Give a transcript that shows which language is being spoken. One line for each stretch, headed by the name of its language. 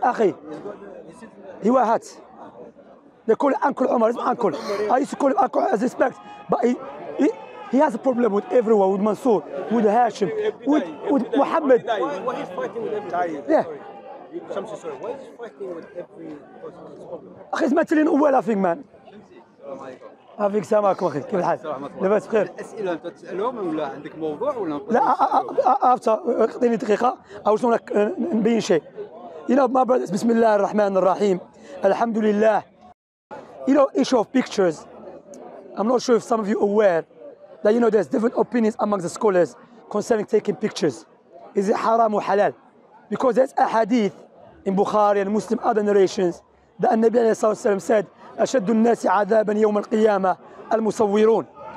English: Akhi. He wear hats. They call him Uncle Omar. It's my uncle. I used to call him Uncle as respect. But he has a problem with everyone, with Mansour, with Hashim, with Muhammad. Why he's fighting with everybody? Yeah. Shamsi, sorry. Why is he fighting with every person? Akhi, he's not telling you well, I think, man.
Arabic: عافيك سامعكم اخي كيف الحال؟ لاباس بخير؟ الاسئله انت تسالهم ولا عندك موضوع ولا لا افتر اعطيني دقيقه اوش لك نبين شيء.
English: You know my brothers,
Arabic: بسم الله الرحمن الرحيم الحمد لله.
English: You know issue of pictures, I'm not sure if some of you are aware that you know there's different opinions among the scholars concerning taking pictures. Is it haram or halal? Because there's a hadith in Bukhari and Muslim other narrations that
Arabic: النبي عليه الصلاه والسلام
English: said
Arabic: أشد الناس عذابا يوم القيامة المصورون.